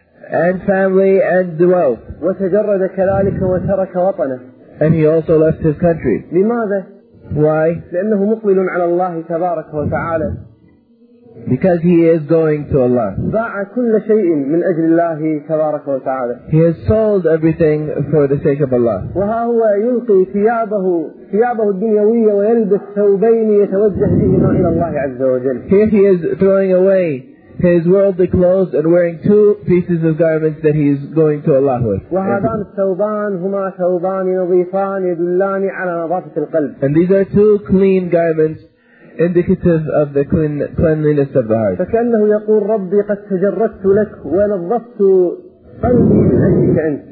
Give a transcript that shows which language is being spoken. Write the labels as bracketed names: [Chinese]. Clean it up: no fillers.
[English] And family and wealth. [Arabic] وتجرد كذلك وترك وطنه. [English] And he also left his country. [Arabic] لماذا؟ [English] Why? [Arabic] لأنه مقبل على الله تبارك وتعالى. [English] Because he is going to Allah. [Arabic] باع كل شيء من أجل الله تبارك وتعالى. [English] He has sold everything for the sake of Allah. [Arabic] وها هو يلقي ثيابه الدنيوية ويلبس ثوبين يتوجه بهما إلى الله عز وجل. [English] Here he is throwing away his worldly clothes and wearing two pieces of garments that he is going to Allah with. [Arabic] وهذان الثوبان هما ثوبان نظيفان يدلان على نظافة القلب. [English] And these are two clean garments, indicative of the cleanliness of the heart. [Arabic] فكأنه يقول ربي قد تجردت لك ونظفت قلبي من أجلك أنت.